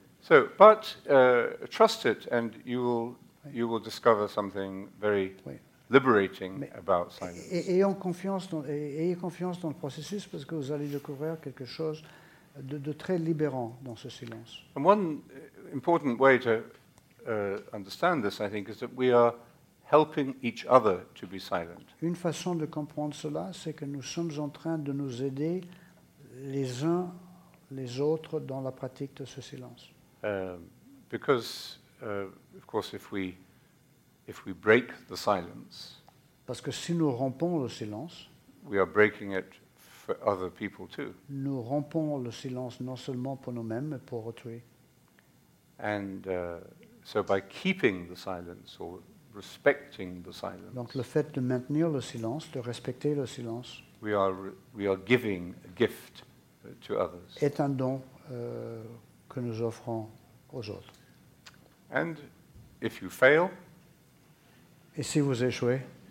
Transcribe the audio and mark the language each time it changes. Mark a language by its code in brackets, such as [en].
[en] So, but trust it, and you will discover something very liberating about silence. [fr] Ayez confiance dans le processus, parce que vous allez découvrir quelque chose de très libérant dans ce silence. [en] And one important way to understand this, I think, is that we are helping each other to be silent. [fr] Une façon de comprendre cela, c'est que nous sommes en train de nous aider les uns les autres dans la pratique de ce silence. [en] Because of course if we break the silence. [fr] Parce que si nous rompons le silence, [en] we are breaking it for other people too. [fr] Nous rompons le silence non seulement pour nous-mêmes mais pour autrui. [en] And so by keeping the silence or respecting the silence. [fr] Donc le fait de maintenir le silence, de respecter le silence. [en] We are giving a gift to others. [fr] Est un don que nous offrons aux autres. [en] And if you fail. [fr] Et si vous échouez.